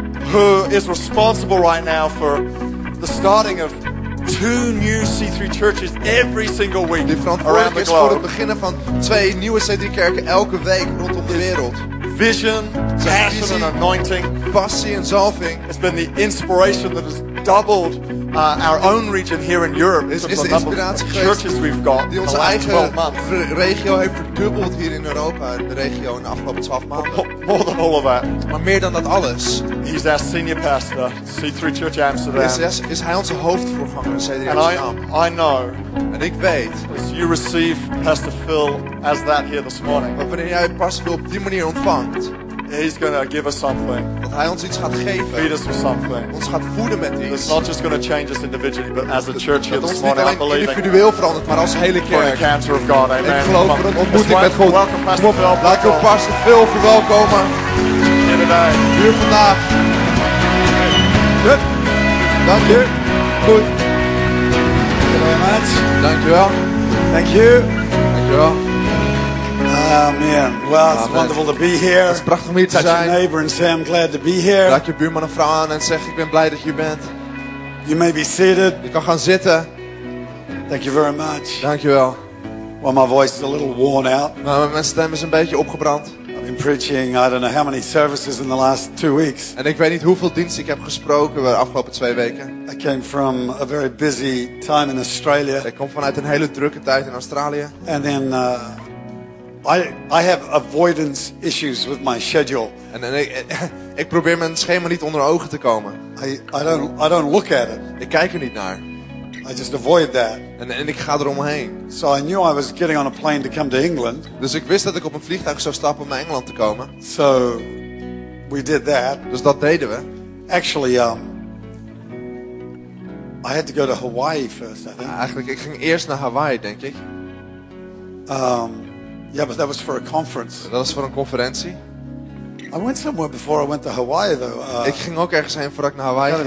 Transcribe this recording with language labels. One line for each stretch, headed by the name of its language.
English: Who is responsible right now for the starting of two new C3 churches every single week around the globe.
Dutch: Die verantwoordelijk is voor het beginnen van twee nieuwe C3 kerken elke week rondom de wereld.
English: Vision, passion and anointing.
Dutch: Passie en zalving.
English: It's been the inspiration that has doubled our own region here in Europe.
Dutch: Is de inspiratie geweest
English: churches we've got
Dutch: die onze eigen regio heeft verdubbeld hier in Europa, de regio in de afgelopen 12 maanden.
English: More than all of that.
Dutch: Maar meer dan dat alles.
English: He's our senior pastor, C3 Church Amsterdam.
Dutch: Is hij onze hoofdvoorganger in C3 Amsterdam?
English: I know.
Dutch: En ik weet.
English: As you receive Pastor Phil as that here this morning.
Dutch: Maar wanneer jij Pastor Phil op die manier ontvangt.
English: He's gonna give us something.
Dutch: Dat hij ons iets gaat geven.
English: Feed us with something.
Dutch: Ons gaat voeden met iets.
English: It's not just gonna change us individually, but as a church
Dutch: dat
English: here this morning, I believe.
Dutch: Dat ons niet alleen individueel verandert, maar als hele kerk.
English: For the encounter of God, amen.
Dutch: Ik geloof voor een ontmoeting met God.
English: Welcome, Pastor Phil.
Dutch: Laten we Pastor Phil verwelkomen.
English: Here today.
Dutch: Hier vandaag.
English: Good.
Dutch: Dank je. Goed.
English: Thank you very much.
Dutch: Dank je wel.
English: Thank you.
Dutch: Dank je wel.
English: Amen. Well, it's wonderful to be here.
Dutch: Het is prachtig om hier te zijn.
English: Touch your neighbor and say I'm glad to be here.
Dutch: Raak je buurman een vrouw aan en zeg ik ben blij dat je bent.
English: You may be seated.
Dutch: Je kan gaan zitten.
English: Thank you very much.
Dutch: Dank je wel.
English: Well, my voice is a little worn out.
Dutch: Mijn stem is een beetje opgebrand.
English: I've been preaching, I don't know how many services in the last 2 weeks.
Dutch: En ik weet niet hoeveel diensten ik heb gesproken de afgelopen 2 weken.
English: I came from a very busy time in Australia.
Dutch: Ik kom vanuit een hele drukke tijd in Australië.
English: And then I have avoidance issues with my schedule.
Dutch: En ik probeer mijn schema niet onder ogen te komen.
English: I don't look at it.
Dutch: Ik kijk er niet naar.
English: I just avoid that.
Dutch: En ik ga er omheen.
English: So I knew I was getting on a plane to come to England.
Dutch: Dus ik wist dat ik op een vliegtuig zou stappen om naar Engeland te komen.
English: So we did that.
Dutch: Dus dat deden we.
English: Actually, I had to go to Hawaii first, I think.
Dutch: Eigenlijk, ik ging eerst naar Hawaii, denk ik.
English: Yeah, but that was for a conference.
Dutch: Dat was voor een conferentie.
English: I went somewhere before I went to Hawaii, though.
Dutch: Ik ging ook ergens heen voordat ik naar Hawaii ging.